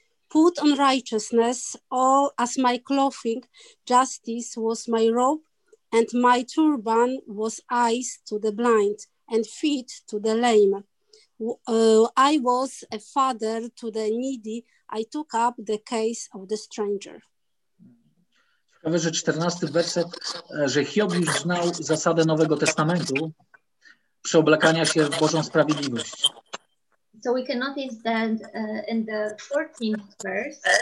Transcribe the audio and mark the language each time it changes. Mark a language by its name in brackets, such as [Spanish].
[English] Put on righteousness, all as my clothing, justice was my robe, and my turban was eyes to the blind and feet to the lame. I was a father to the needy. I took up the case of the stranger. [Polish] Ciekawe, że 14 werset, że Hiob już znał zasadę Nowego Testamentu przeoblekania się w Bożą sprawiedliwość. [English] So we can notice that in the 14th verse.